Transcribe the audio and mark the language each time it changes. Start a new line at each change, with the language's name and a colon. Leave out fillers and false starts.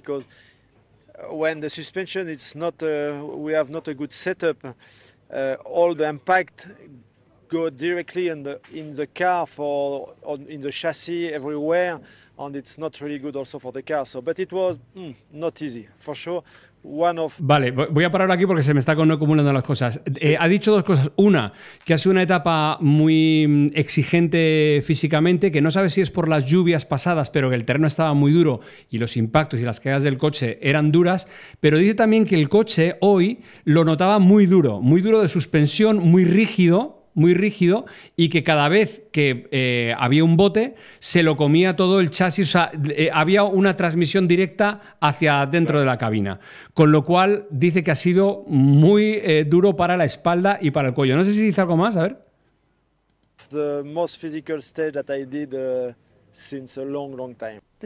English: Because when the suspension, it's not we have not a good setup. All the impact go directly in the car in the chassis everywhere, and it's not really good also for the car. So, but it was not easy for sure.
Spanish: Vale, voy a parar aquí porque se me está acumulando las cosas. Ha dicho dos cosas. Una, que ha sido una etapa muy exigente físicamente, que no sabe si es por las lluvias pasadas, pero que el terreno estaba muy duro y los impactos y las caídas del coche eran duras. Pero dice también que el coche hoy lo notaba muy duro de suspensión, muy rígido, y que cada vez que había un bote, se lo comía todo el chasis, o sea, había una transmisión directa hacia dentro de la cabina, con lo cual dice que ha sido muy duro para la espalda y para el cuello. No sé si dice algo más, a ver.
English: The most physical stage that I did since a long, long time.